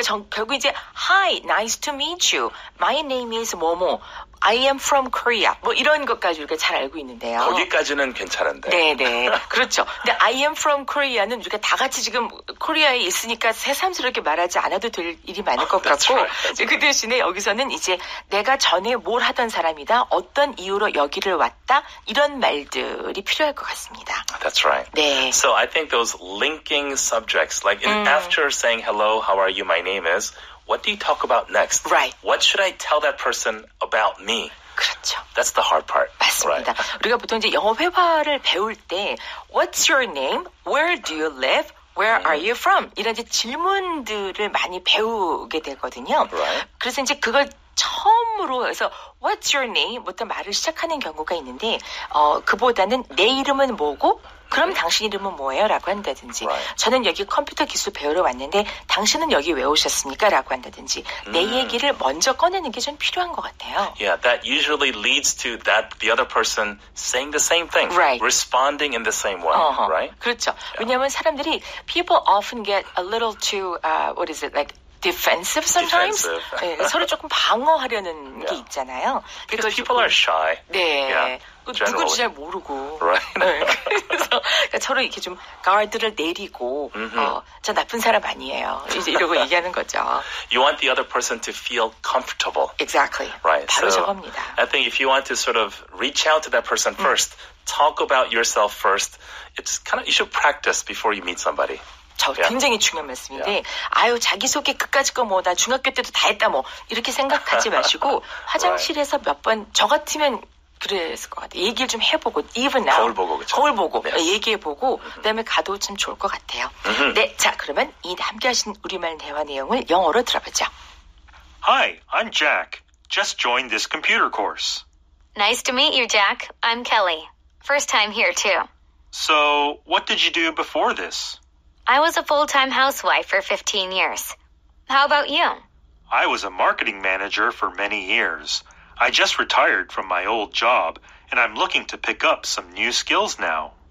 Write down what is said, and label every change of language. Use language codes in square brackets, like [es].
[ko] 그 결국 이제 [en] Hi, nice to meet you. My name is 뭐뭐. I am from Korea. [ko] 뭐 이런 것까지 우리가 잘 알고 있는데요. 거기까지는 괜찮은데. 네네. 그렇죠. 근데 [en] I am from Korea [ko] 는 우리가 다 같이 지금 코리아에 있으니까 새삼스럽게 말하지 않아도 될 일이 많을 것 같고. [en] That's right. [ko] 그 대신에 여기서는 이제 내가 전에 뭘 하던 사람이다. 어떤 이유로 여기를 왔다. 이런 말들이 필요할 것 같습니다. [en] That's right. [ko] 네. [en] So I think those linking subjects, like after saying hello, how are you, my name is, what do you talk about next? Right. What should I tell that person about me? [ko] 그렇죠. [en] That's the hard part. [ko] 맞습니다. [en] Right. [ko] 우리가 보통 이제 영어 회화를 배울 때 [en] What's your name? Where do you live? Where are you from? [ko] 이런 이제 질문들을 많이 배우게 되거든요. [en] Right. [ko] 그래서 이제 그걸 처음으로 해서 [en] What's your name? [ko] 부터 말을 시작하는 경우가 있는데 그보다는 내 이름은 뭐고 그럼 당신 이름은 뭐예요? 라고 한다든지 [en] right. [ko] 저는 여기 컴퓨터 기술 배우러 왔는데 당신은 여기 왜 오셨습니까? 라고 한다든지 내 얘기를 먼저 꺼내는 게 좀 필요한 것 같아요. [en] Yeah, that usually leads to that the other person saying the same thing. Right. Responding in the same way. Uh-huh. Right? [ko] 그렇죠. [en] Yeah. [ko] 왜냐하면 사람들이 [en] people often get a little too, what is it, like, defensive sometimes. Defensive. [ko] 네, 서로 조금 방어하려는 게 있잖아요. [en] Because people are shy. [ko] 네. [en] Yeah, [ko] 누군지 잘 모르고. [en] Right. [ko] 네, 그래서 그러니까 서로 이렇게 좀 guard를 내리고, mm-hmm. 저 나쁜 사람 아니에요. 이제 이러고 얘기하는 거죠. [en] You want the other person to feel comfortable. Exactly. Right. [ko] 바로 저겁니다. [en] I think if you want to sort of reach out to that person first, talk about yourself first, it's kind of, you should practice before you meet somebody. [ko] 저 굉장히 중요한 말씀인데 아유 자기소개 끝까지 거 뭐 나 중학교 때도 다 했다 뭐 이렇게 생각하지 마시고 화장실에서 몇 번 저 같으면 그랬을 것 같아요. 얘기를 좀 해보고 [en] even now [ko] 거울 보고 그쵸? 거울 보고 [en] yes. [ko] 얘기해보고 그다음에 가도 좀 좋을 것 같아요. 네, 자 그러면 이 함께하신 우리말 대화 내용을 영어로 들어보죠. [en] Hi, I'm Jack. Just joined this computer course. Nice to meet you, Jack. I'm Kelly. First time here too. So, what did you do before this? I was a full-time housewife for 15 years. How about you? I was a marketing manager for many years. I just retired from my old job, and I'm looking to pick up some new skills now.